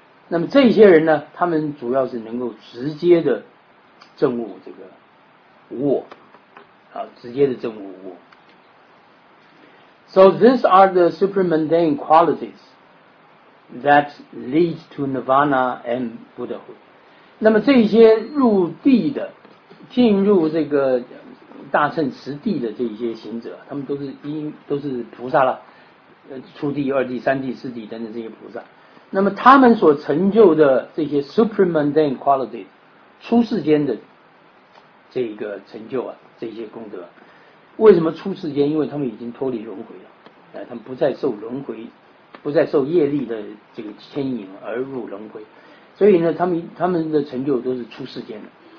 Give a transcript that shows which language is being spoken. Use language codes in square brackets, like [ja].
[zh] 那么这些人呢，他们主要是能够直接的证悟这个无我，直接的证悟无我。 [en] So these are the supermundane qualities that lead to nirvana and Buddhahood。 [zh] 那么这些入地的，进入这个。大乘实地的这些行者，他们都是菩萨了，初地、二地、三地、四地等等这些菩萨。那么他们所成就的这些 supermundane quality， 出世间的这个成就啊，这些功德，为什么出世间？因为他们已经脱离轮回了，他们不再受轮回，不再受业力的这个牵引而入轮回，所以呢，他们的成就都是出世间的。